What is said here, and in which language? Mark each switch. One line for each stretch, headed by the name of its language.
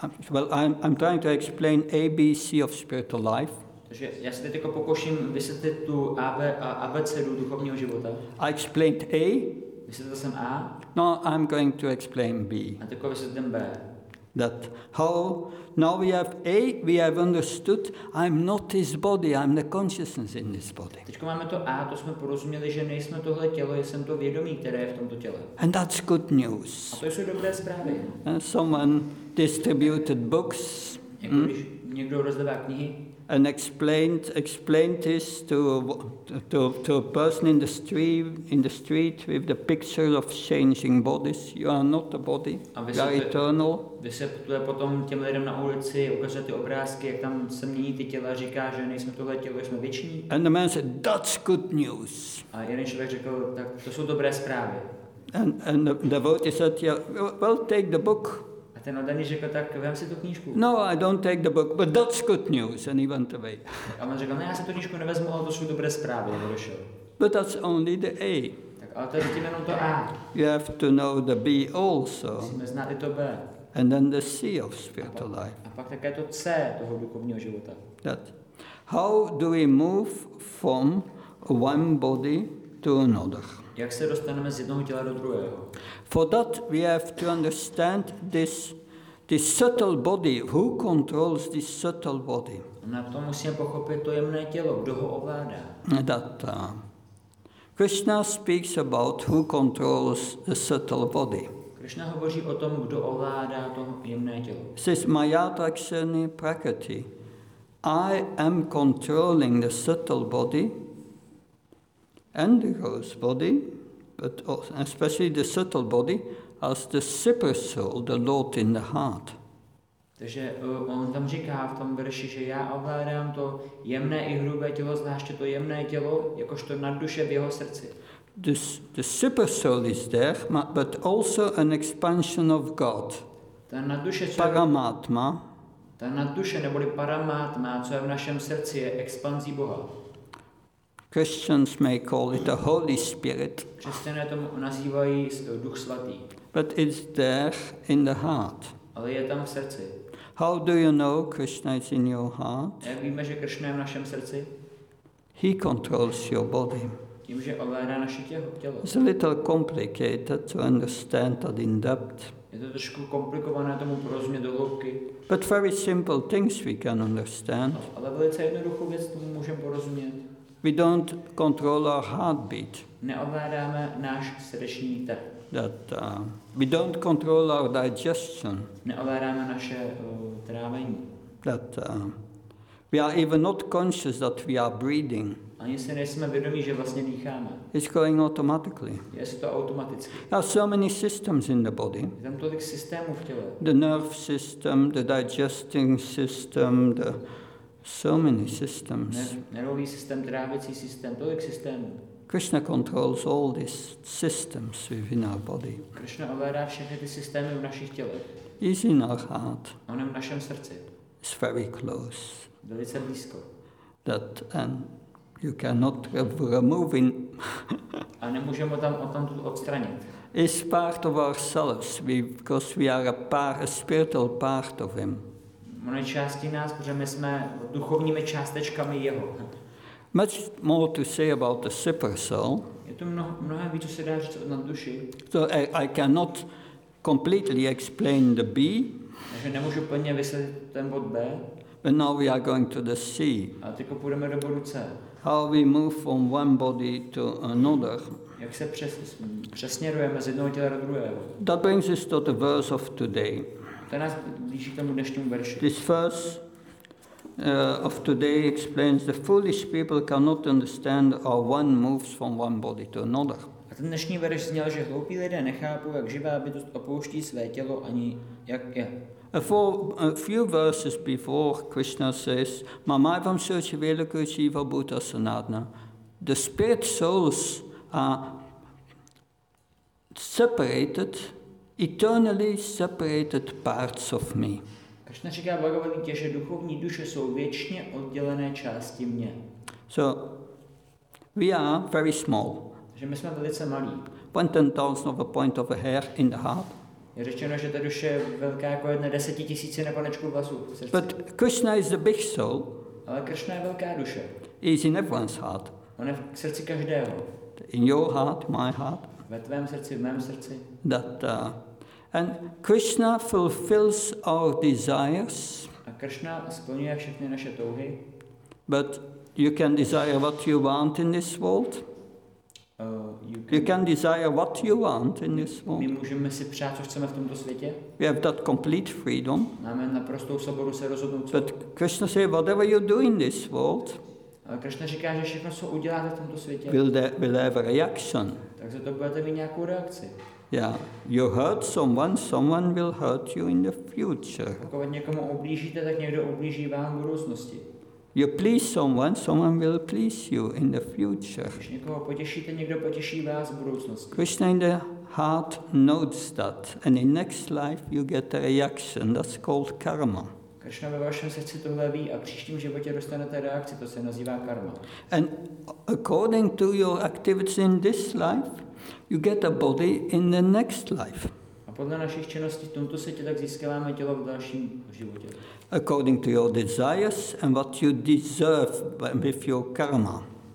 English: Well, I'm trying to explain ABC of spiritual life.
Czech: Takže já se teď jako pokouším vysvětlit tu ABCD duchovního života.
English: I explained A.
Czech: Vysvětlil jsem A.
English: No, I'm going to explain B.
Czech: A teď jako vysvětlím B.
English: That how now we have A, we have understood, I'm not this body, I'm the consciousness in this body.
Czech: Teď máme to A, to jsme porozuměli, že nejsme tohle tělo, jsem to vědomí, které je v tomto těle.
English: And that's good news.
Czech: A to jsou dobré zprávy.
English: And someone distributed books.
Czech: Někdo rozdává knihy.
English: And explained this to a person in the street with the picture of changing bodies. You are not a body. You are eternal.
Czech: Vysvětluje potom těm lidem na ulici, ukazuje ty obrázky, jak tam se mění ty těla, říká, že nejsme tohle tělo, jsme věční.
English: And the man said, "That's good news."
Czech: A jeden člověk řekl, tak to jsou dobré zprávy.
English: And the devotee said, "Yeah, well, take the book."
Czech: Ten oddaný řekl, tak vem si tu knížku.
English: No, I don't take the book, but that's good news, and he went away.
Czech: A on řekl, ne, já si tu knížku nevezmu, ale to jsou dobré zprávy, a odešel.
English: But that's only the A.
Czech: Tak, ale to je tím jenom to A.
English: You have to know the B also.
Czech: Musíme znát i to B.
English: And then the C of spiritual life.
Czech: A pak také to C toho duchovního života.
English: That. How do we move from one body to another?
Czech: Jak se dostaneme z jednoho těla do druhého?
English: For that we have to understand this subtle body. Who controls this subtle body?
Czech: Na to musíme pochopit to jemné tělo. Kdo ho ovládá?
English: That Krishna speaks about who controls the subtle body.
Czech: Krishna hovoří o tom, kdo ovládá to jemné tělo.
English: Says Maya Trakshani Prakriti, I am controlling the subtle body. And the gross body, but also, especially the subtle body, as the super soul, the Lord in the heart.
Czech: Takže on tam říká v tom verši, že já ovládám to jemné i hrubé tělo, zvláště to jemné tělo, jakožto nadduše v jeho srdci.
English: The super soul is there, but also an expansion of God.
Czech: Ta nadduše, Paramatma. Ta nadduše, neboli Paramatma, co je v našem srdci, je expanzí Boha.
English: Christians may call it the Holy Spirit.
Czech: Křesťané to nazývají Duch svatý.
English: But it's there in the heart.
Czech: Ale je tam v srdci.
English: How do you know Krishna is in your heart?
Czech: Jak víme, že Krishna je v našem srdci?
English: He controls your body.
Czech: Tím, že ovládá naše tělo.
English: It's a little complicated to understand that in depth.
Czech: Je to trošku komplikované tomu porozumět do hloubky.
English: But very simple things we can understand.
Czech: Ale velice jednoduchou věc tomu můžeme porozumět.
English: We don't control our heartbeat.
Czech: Neovládáme náš srdeční tep.
English: That we don't control our digestion.
Czech: Neovládáme naše trávení.
English: That we are even not conscious that we are breathing.
Czech: Ani si nejsme vědomí, že vlastně dýcháme.
English: It's going automatically.
Czech: Je to automaticky.
English: There are so many systems in the body.
Czech: Je tam tolik systémů v těle.
English: The nerve system, the digesting system, the so many systems.
Czech: Nervový systém, trávicí systém, tolik systémů.
English: Krishna controls all these systems within our body.
Czech: Krishna ovládá všechny ty systémy v našich tělech.
English: He's in our heart.
Czech: On je v našem srdci.
English: It's very close.
Czech: Velice blízko.
English: That and you cannot remove him.
Czech: A nemůžeme ho tam odtamtud odstranit.
English: It's part of ourselves, because we are a spiritual part of him.
Czech: Ono je částí nás, protože my jsme duchovními částečkami jeho.
English: Much more to say about the super soul.
Czech: Je to mnohem víc, co se dá říct o nadduši.
English: So I cannot completely explain the B.
Czech: Takže nemůžu plně vysvětlit ten bod B.
English: But now we are going to the C.
Czech: A teď půjdeme do bodu C.
English: How we move from one body to another.
Czech: Jak se přesměrujeme z jednoho těla do druhého.
English: That brings us to the verse of today.
Czech: To nás blíží k tomu dnešnímu verši.
English: This verse of today explains the foolish people cannot understand how one moves from one body to another.
Czech: A ten dnešní verš zněl, že hloupí lidé nechápou, jak živá bytost opouští své tělo ani jak je.
English: For a few verses before, Krishna says,
Sanskrit: "Mamaivam sarcha velaka jiva bhuta sanatana."
English: The spirit souls are separated. Eternally separated parts of me.
Czech: Krishna říká Bhagavad Gita, že duchovní duše jsou věčně oddělené části mě.
English: So we are very small.
Czech: Že my jsme velice malí.
English: 0.1000 of a point of a hair in the heart.
Czech: Je řečeno, že ta duše je velká jako jedna 10 000 na panečku vlasů.
English: But Krishna is the big soul.
Czech: Ale Krishna je velká duše.
English: He is in everyone's heart.
Czech: On je v srdci každého.
English: In your heart, my heart.
Czech: Ve tvém srdci, v mém srdci.
English: That and Krishna fulfills our desires.
Czech: A Krishna splňuje všechny naše touhy.
English: But you can desire what you want in this world. You can desire what you want in this world.
Czech: My můžeme si přát, co chceme v tomto světě.
English: We have that complete freedom.
Czech: Máme naprostou svobodu se rozhodnout.
English: But Krishna says, whatever you do in this world.
Czech: Ale Krishna říká, že všechno, co uděláte v tomto světě.
English: Will have a reaction.
Czech: Takže to budete mít nějakou reakci.
English: Yeah, you hurt someone, someone will hurt you in the future.
Czech: Pokud někomu ublížíte, tak někdo ublíží vám v budoucnosti.
English: You please someone, someone will please you in the future.
Czech: Když někoho potěšíte, někdo potěší vás v budoucnosti.
English: Krishna in the heart knows that, and in next life you get a reaction. That's called karma.
Czech: Krishna ve vašem srdci tohle ví a v příštím životě dostanete reakci, to se nazývá karma.
English: And according to your activities in this life, you get a body in the next life.
Czech: A podle našich činností v tomto světě tak získáváme tělo v dalším životě.
English: According to your desires and what you deserve with your karma.